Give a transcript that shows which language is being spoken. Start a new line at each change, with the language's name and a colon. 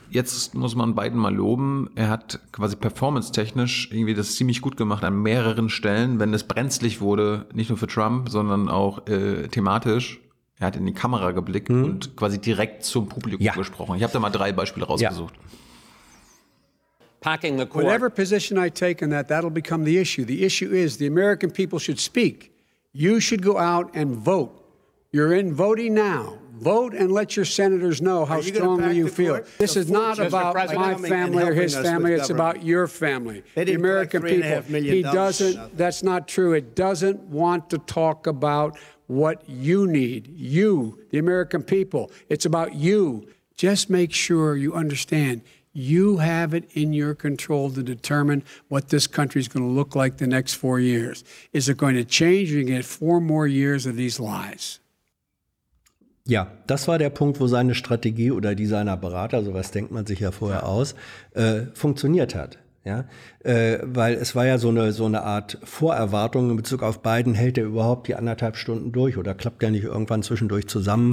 German: Jetzt muss man Biden mal loben. Er hat quasi performance-technisch irgendwie das ziemlich gut gemacht an mehreren Stellen, wenn es brenzlig wurde, nicht nur für Trump, sondern auch thematisch. Er hat in die Kamera geblickt und quasi direkt zum Publikum gesprochen. Ich habe da mal 3 Beispiele rausgesucht.
English: Ja. Packing the court. Whatever position I take in that, that'll become the issue. The issue is, the American people should speak. You should go out and vote. You're in voting now. Vote and let your senators know how strongly you feel. This is not about my family or his family. It's about your family, the American people. He doesn't, that's not true. It doesn't want to talk about what you need. You, the American people. It's about you. Just make sure you understand you have it in your control to determine what this country is going to look like the next 4 years. Is it going to change or you get 4 more years of these lies?
German: Ja, das war der Punkt, wo seine Strategie oder die seiner Berater, sowas denkt man sich ja vorher aus, funktioniert hat. Ja, weil es war ja so eine Art Vorerwartung in Bezug auf Biden, hält er überhaupt die 1,5 Stunden durch oder klappt der nicht irgendwann zwischendurch zusammen?